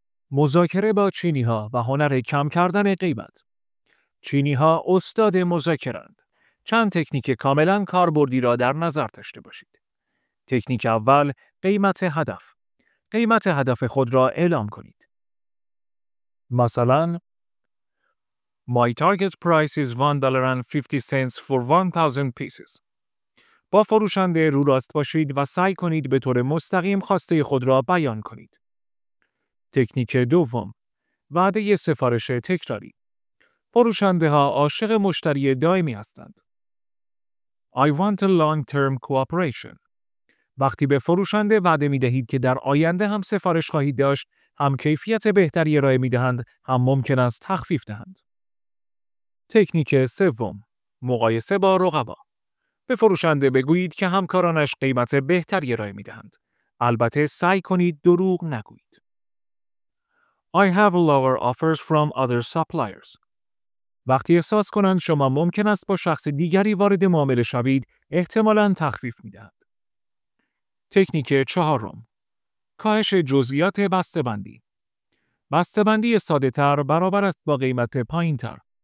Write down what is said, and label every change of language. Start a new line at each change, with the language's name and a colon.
Persian: مذاکره با چینی ها و هنر کم کردن قیمت. چینی ها استاد مذاکرند. چند تکنیک کاملا کاربردی را در نظر داشته باشید. تکنیک اول، قیمت هدف. قیمت هدف خود را اعلام کنید. مثلا
English: My target price is $1.50 for 1000 pieces.
Persian: با فروشنده رو راست باشید و سعی کنید به طور مستقیم خواسته خود را بیان کنید. تکنیک دوم، وعده سفارش تکراری. فروشنده ها عاشق مشتری دائمی هستند.
English: I want a long-term cooperation.
Persian: وقتی به فروشنده وعده می دهید که در آینده هم سفارش خواهید داشت، هم کیفیت بهتری ارائه می دهند، هم ممکن است تخفیف دهند. تکنیک سوم، مقایسه با رقبا. به فروشنده بگویید که همکارانش قیمت بهتری ارائه می دهند. البته سعی کنید دروغ نگویید.
English: I have lower offers from other suppliers.
Persian: وقتی احساس کنند شما ممکن است با شخص دیگری وارد معامله شوید، احتمالاً تخفیف می دهند. تکنیک چهارم، کاهش جزئیات بسته‌بندی. بسته‌بندی ساده‌تر برابر است با قیمت پایین‌تر.